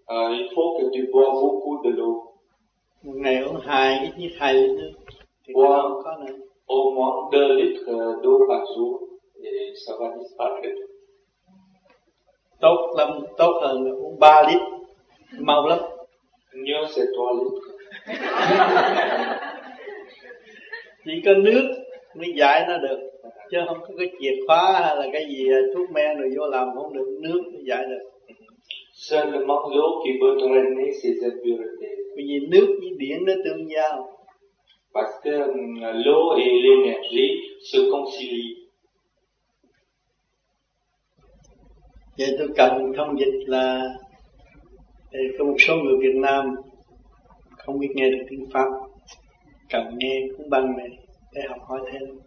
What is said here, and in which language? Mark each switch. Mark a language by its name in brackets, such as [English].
[French] Il faut que tu bois beaucoup de l'eau. [Vietnamese] Một ngày uống hai ít nhất hai lít nước. Thì boire nó có nữa. [French] Au moins 2 litres d'eau par jour et ça va disparaître. [Vietnamese] Tốt hơn là uống 3 lít. Mau lắm. [French] Mieux c'est 3 litres. [Vietnamese] Chỉ có nước mới giải nó được. Chứ không có cái chìa khóa hay là cái gì thuốc men rồi vô làm không được, nước mới giải được. [French] Seulement l'eau qui peut drainer ces impuretés. [Vietnamese] Bởi vì nước với điện nó tương giao. [French] Parce que l'eau et l'énergie se concilient. [Vietnamese] Vậy tôi cần thông dịch là có một số người Việt Nam không biết nghe được tiếng Pháp, cần nghe cuốn băng này để học hỏi thêm.